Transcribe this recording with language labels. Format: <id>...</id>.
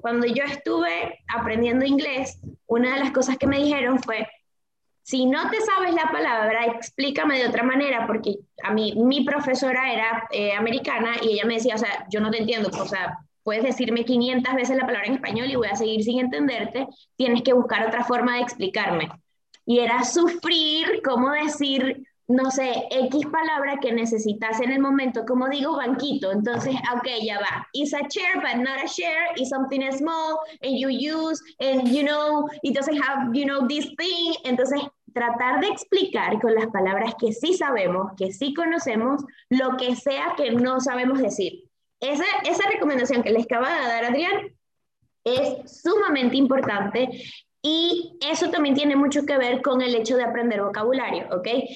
<es>Cuando yo estuve aprendiendo inglés, una de las cosas que me dijeron fue: si no te sabes la palabra, explícame de otra manera, porque a mí, mi profesora era americana, y ella me decía, o sea, yo no te entiendo, o sea, puedes decirme 500 veces la palabra en español y voy a seguir sin entenderte, tienes que buscar otra forma de explicarme. Y era sufrir, cómo decir, no sé, X palabra que necesitas en el momento, como digo, banquito. Entonces, ok, ya va.</es> <en>It's a chair, but not a chair. It's something small, and you use, and you know, it doesn't have, you know, this thing.</en> <es>Entonces, tratar de explicar con las palabras que sí sabemos, que sí conocemos, lo que sea que no sabemos decir. Esa recomendación que les acaba de dar Adrián es sumamente importante. Y eso también tiene mucho que ver con el hecho de aprender vocabulario, ¿ok?</es>